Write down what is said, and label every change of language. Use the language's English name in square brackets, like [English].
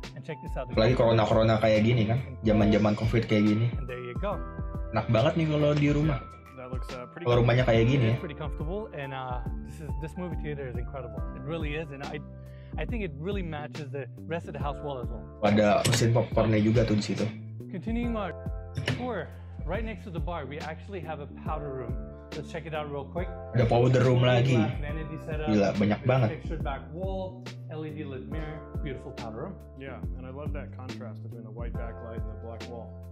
[English] And check this out. [Indonesian] Lagi corona-corona kayak gini kan, zaman-zaman COVID kayak gini. [English] And there you go. [Indonesian] Enak banget nih kalau di rumah. Kalau rumahnya kayak gini. [English] Pretty comfortable. And this movie theater is incredible. It really is. And I think it really matches the rest of the house well as well. [Indonesian] Ada mesin popcornnya juga tuh di situ. [English] Continuing our tour, right next to the bar, we actually have a powder room. Let's check it out real quick. [Indonesian] Ada powder room lagi. Gila, banyak banget. [English] LED lit mirror, beautiful powder room. Yeah, and I love that contrast between the white backlight and the black wall.